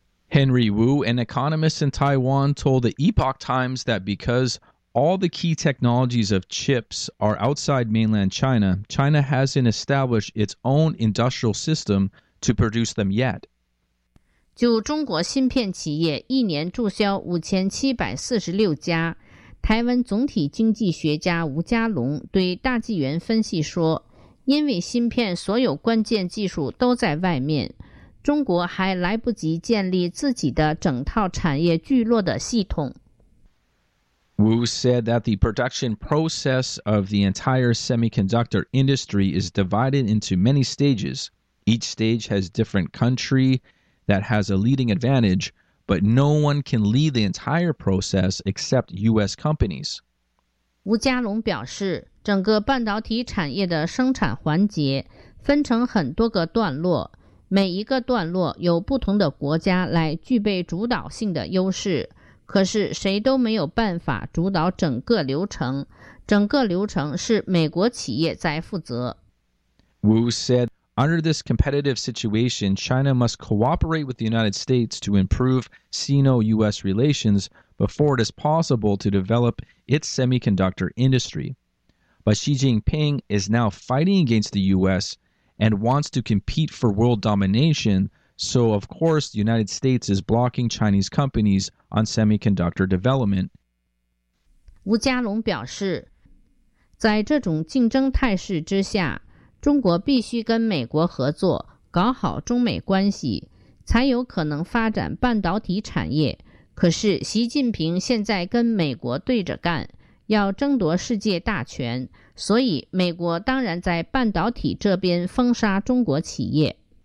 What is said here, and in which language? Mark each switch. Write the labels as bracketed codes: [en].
[en] Henry Wu, an economist in Taiwan, told the Epoch Times that because All the key technologies of chips are outside mainland China. China hasn't established its own industrial system to produce them yet. [zh] 就中国芯片企业一年注销5746家，台湾总体经济学家吴家龙对大纪元分析说，因为芯片所有关键技术都在外面，中国还来不及建立自己的整套产业聚落的系统。 [en] Wu said that the production process of the entire semiconductor industry is divided into many stages. Each stage has different country that has a leading advantage, but no one can lead the entire process except U.S. companies. [zh] Wu Jialong 表示，整个半导体产业的生产环节分成很多个段落，每一个段落有不同的国家来具备主导性的优势。可是谁都没有办法主导整个流程，整个流程是美国企业在负责。 [en] Wu said, under this competitive situation, China must cooperate with the United States to improve Sino-US relations before it is possible to develop its semiconductor industry. But Xi Jinping is now fighting against the US and wants to compete for world domination,So, of course, the United States is blocking Chinese companies on semiconductor development. [zh] 吴家龙表示，在这种竞争态势之下，中国必须跟美国合作，搞好中美关系，才有可能发展半导体产业。可是，习近平现在跟美国对着干，要争夺世界大权，所以美国当然在半导体这边封杀中国企业。